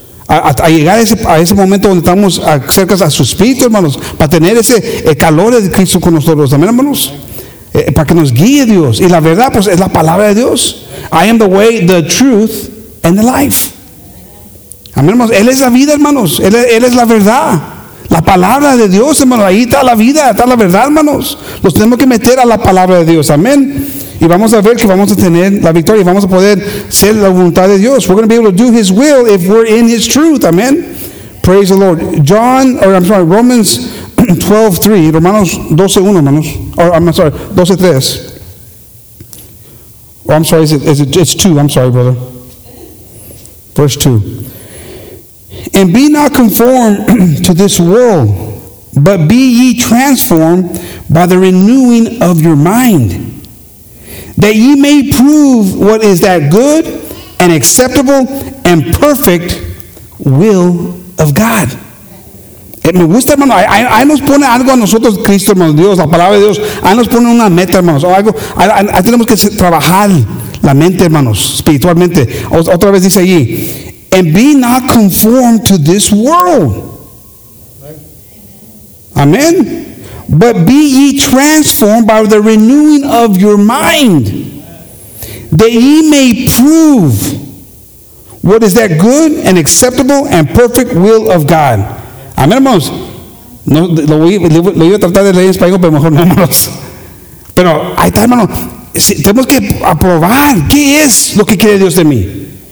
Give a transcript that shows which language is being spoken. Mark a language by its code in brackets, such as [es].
[es] A llegar a ese momento donde estamos cerca a su espíritu, hermanos. Para tener ese calor de Cristo con nosotros. Amén, hermanos. Para que nos guíe Dios. Y la verdad, pues, es la palabra de Dios. [en] I am the way, the truth, and the life. [es] Amén, hermanos. Él es la vida, hermanos. Él es la verdad. La palabra de Dios, hermanos, ahí está la vida, está la verdad, hermanos. Los tenemos que meter a la palabra de Dios, amén. Y vamos a ver que vamos a tener la victoria y vamos a poder ser la voluntad de Dios. [en] We're going to be able to do his will if we're in his truth, amén. Praise the Lord. John, or I'm sorry, Romans 12:3, Romanos 12:1, hermanos. Or I'm sorry, 12:3. Oh, I'm sorry, it's 2, I'm sorry, brother. Verse 2. And be not conformed to this world, but be ye transformed by the renewing of your mind, that ye may prove what is that good and acceptable and perfect will of God. [es] Me gusta, hermano. Ahí nos pone algo a nosotros, Cristo, hermano, Dios, la palabra de Dios. Ahí nos pone una meta, hermanos. Ahí tenemos que trabajar la mente, hermanos, espiritualmente. [en] Otra vez dice allí. And be not conformed to this world. Amen. But be ye transformed by the renewing of your mind, that ye may prove what is that good and acceptable and perfect will of God. [es] Amen, hermanos. No, lo iba a tratar de leer en español, pero mejor no, hermanos. Pero ahí está, hermano. Si, tenemos que aprobar qué es lo que quiere Dios de mí.